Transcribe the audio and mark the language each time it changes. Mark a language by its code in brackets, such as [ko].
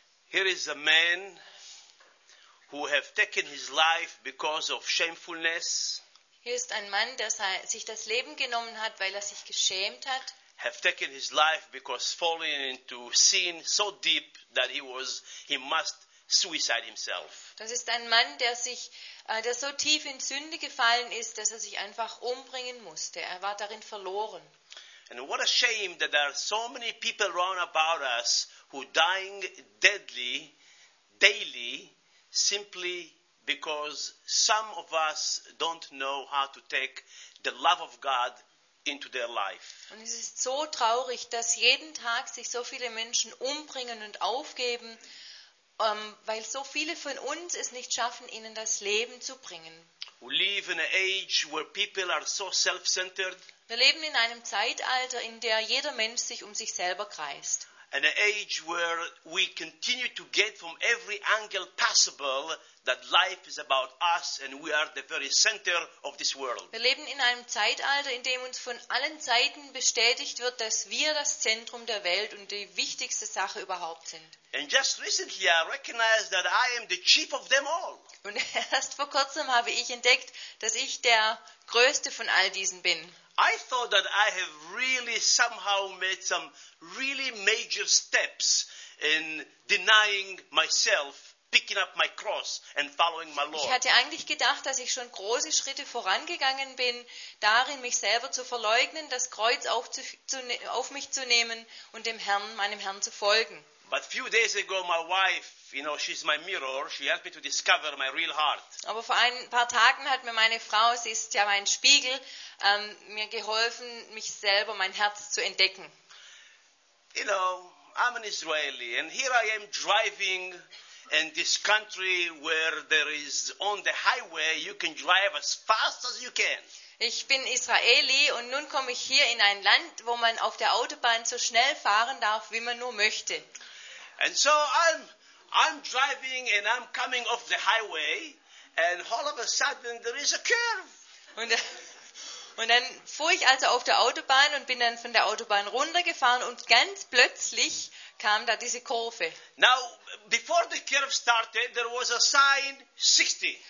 [en] Here is a man who have taken his life because of shamefulness. [de] Hier ist ein Mann, der sich das Leben genommen hat, weil er sich geschämt hat. [en] Have taken his life because falling into sin so deep that he must suicide himself. [de] Das ist ein Mann, der so tief in Sünde gefallen ist, dass er sich einfach umbringen musste. Er war darin verloren. [en] And what a shame that there are so many people around about us who dying deadly daily simply because some of us don't know how to take the love of God into their life. [de] Und es ist so traurig, dass jeden Tag sich so viele Menschen umbringen und aufgeben, weil so viele von uns es nicht schaffen, ihnen das Leben zu bringen. [en] We live in an age where people are so self-centered. [de] Wir leben in einem Zeitalter, in der jeder Mensch sich um sich selber kreist. [en] An age where we continue to get from every angle possible that life is about us and we are the very center of this world. [de] Wir leben in einem Zeitalter, in dem uns von allen Seiten bestätigt wird, dass wir das Zentrum der Welt und die wichtigste Sache überhaupt sind. [en] And just recently I recognized that I am the chief of them all. [de] Und erst vor kurzem habe ich entdeckt, dass ich der größte von all diesen bin. [en] I thought that I have really somehow made some really major steps in denying myself, picking up my cross and following my Lord. [de] Ich hatte eigentlich gedacht, dass ich schon große Schritte vorangegangen bin, darin mich selber zu verleugnen, das Kreuz auf mich zu nehmen und dem Herrn, meinem Herrn zu folgen. [en] But few days ago my wife, you know, she's my mirror, she helped me to discover my real heart. [de] Aber vor ein paar Tagen hat mir meine Frau, sie ist ja mein Spiegel, mir geholfen, mich selber, mein Herz zu entdecken. [en] You know, I'm an Israeli and here I am driving in this country where there is on the highway you can drive as fast as you can. [de] Ich bin Israeli und nun komme ich hier in ein Land, wo man auf der Autobahn so schnell fahren darf, wie man nur möchte. [en] And so I'm driving and I'm coming off the highway and all of a sudden there is a curve. [de] Und dann fuhr ich also auf der Autobahn und bin dann von der Autobahn runtergefahren und ganz plötzlich kam da diese Kurve. [en] Now, before the curve started, there was a sign 60.